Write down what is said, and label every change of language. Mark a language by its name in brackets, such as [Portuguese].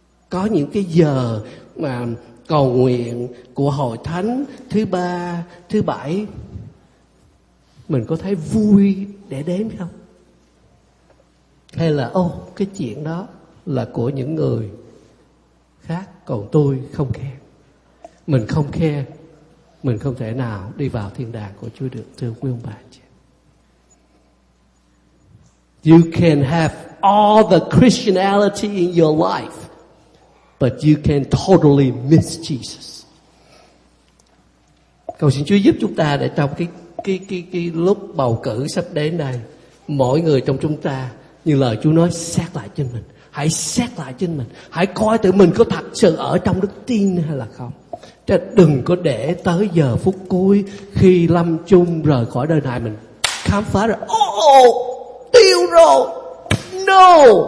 [Vietnamese] Có những cái giờ mà cầu nguyện của Hội Thánh thứ ba, thứ bảy, mình có thấy vui để đến không? Hay là ô, cái chuyện đó là của những người khác, còn tôi không khe. Mình không khe, mình không thể nào đi vào thiên đàng của Chúa được, thưa quý ông bà chị. [English] You can have all the Christianity in your life, but you can totally miss Jesus. [Vietnamese] Cầu xin Chúa giúp chúng ta để trong cái lúc bầu cử sắp đến đây, mỗi người trong chúng ta, như lời Chúa nói, xét lại chính mình. Hãy xét lại chính mình. Hãy coi tự mình có thật sự ở trong đức tin hay là không. Chứ đừng có để tới giờ phút cuối, khi lâm chung rời khỏi đời này, mình khám phá rồi, tiêu rồi. [English] No.